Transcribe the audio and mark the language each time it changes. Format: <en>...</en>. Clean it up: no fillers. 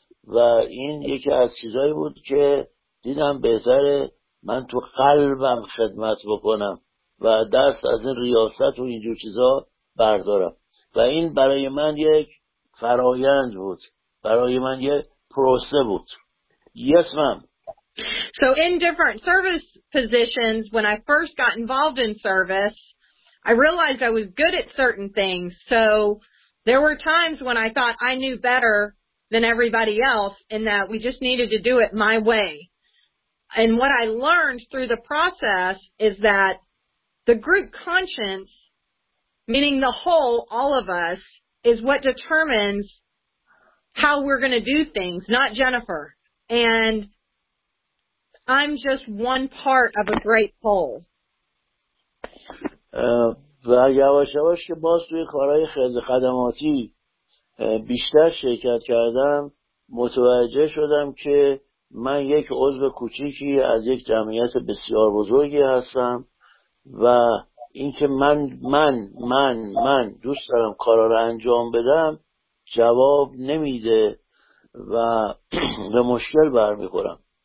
<fa>و این یکی از چیزایی بود که دیدم بهتره من تو قلبم خدمت بکنم و دست از این ریاست و اینجور چیزا بردارم و این برای من یک فرایند بود، برای من یک پروسه بود.</fa> <en>Yes, ma'am. So in different service positions, when I first got involved in service, I realized I was good at certain things, so there were times when I thought I knew better than everybody else and that we just needed to do it my way. And what I learned through the process is that the group conscience, meaning the whole, all of us, is what determines how we're going to do things, not Jennifer. And I'm just one part of a great whole.</en> <fa>و یواش یواش که باز توی کارهای خدماتی بیشتر شرکت کردم، متوجه شدم که من یک عضو کوچیکی از یک جمعیت بسیار بزرگی هستم و اینکه من دوست دارم کارا رو انجام بدم جواب نمیده و به مشکل برمیخورم</fa>